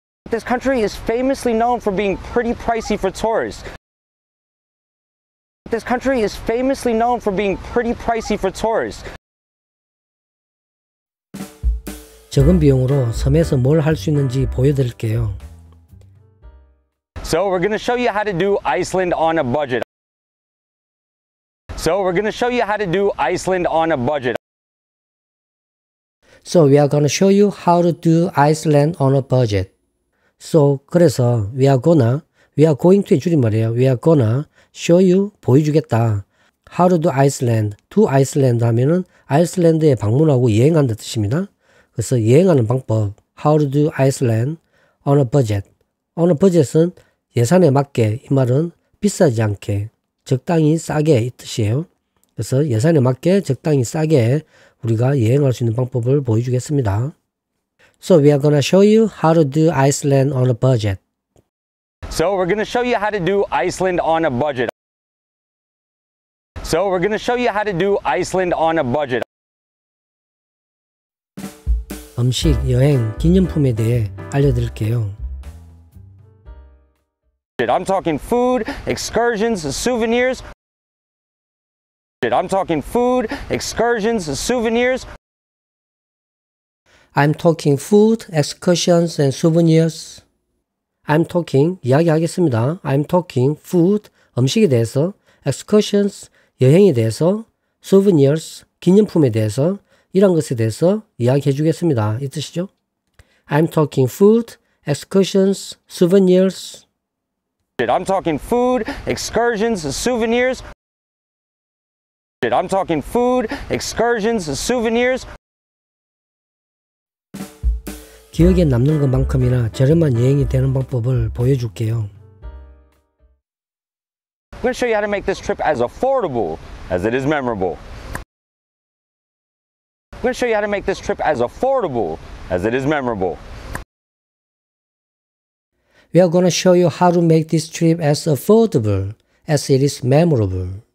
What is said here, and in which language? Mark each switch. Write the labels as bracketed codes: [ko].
[en] This country is famously known for being pretty pricey for tourists. This country is famously known for being pretty pricey for tourists. [ko] 적은 비용으로 섬에서 뭘 할 수 있는지 보여드릴게요. [en] So we're going to show you how to do Iceland on a budget. So we're going to show you how to do Iceland on a budget. So we are going to show you how to do Iceland on a budget. So 그래서 we are gonna, we are going to [ko] 줄임말이에요. [en] We are gonna show you, [ko] 보여주겠다. [en] How to do Iceland, to Iceland [ko] 하면은 아이슬란드에 방문하고 여행한다는 뜻입니다. 그래서 여행하는 방법, [en] how to do Iceland on a budget. On a budget [ko] 은 예산에 맞게, 이 말은 비싸지 않게, 적당히 싸게 이 뜻이에요. 그래서 예산에 맞게, 적당히 싸게 우리가 여행할 수 있는 방법을 보여주겠습니다. [en] So we are going to show you how to do Iceland on a budget. So we're going to show you how to do Iceland on a budget. So we're going to show you how to do Iceland on a budget. [ko] 음식, 여행, 기념품에 대해 알려드릴게요. [en] I'm talking food, excursions, souvenirs. I'm talking food, excursions, souvenirs. I'm talking food, excursions, and souvenirs. I'm talking, [ko] 이야기하겠습니다. [en] I'm talking food, [ko] 음식에 대해서, excursions, 여행에 대해서, souvenirs, 기념품에 대해서, 이런 것에 대해서 이야기해 주겠습니다. 이 뜻이죠? [en] I'm talking food, excursions, souvenirs. I'm talking food, excursions, souvenirs. I'm talking food, excursions, souvenirs. [ko] 기억에 남는 것만큼이나 저렴한 여행이 되는 방법을 보여줄게요. [en] I'm going to show you how to make this trip as affordable as it is memorable. I'm going to show you how to make this trip as affordable as it is memorable. We are going to show you how to make this trip as affordable as it is memorable.